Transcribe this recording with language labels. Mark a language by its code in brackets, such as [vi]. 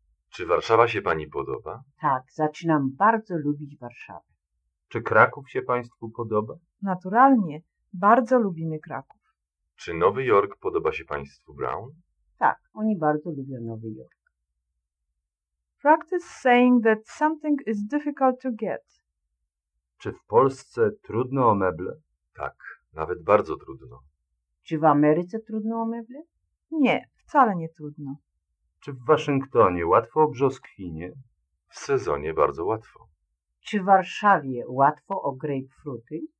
[pl] Czy Warszawa się pani podoba? Tak, zaczynam bardzo lubić Warszawę. Czy Kraków się państwu podoba? Naturalnie, bardzo lubimy Kraków. Czy Nowy Jork podoba się państwu Brown? Tak, oni bardzo lubią Nowy Jork. [en] Practice saying that something is difficult to get. [pl] Czy w Polsce trudno o meble? Tak. Nawet bardzo trudno. Czy w Ameryce trudno o meble? Nie, wcale nie trudno. Czy w Waszyngtonie łatwo o brzoskwinie? W sezonie bardzo łatwo. Czy w Warszawie łatwo o grapefruity?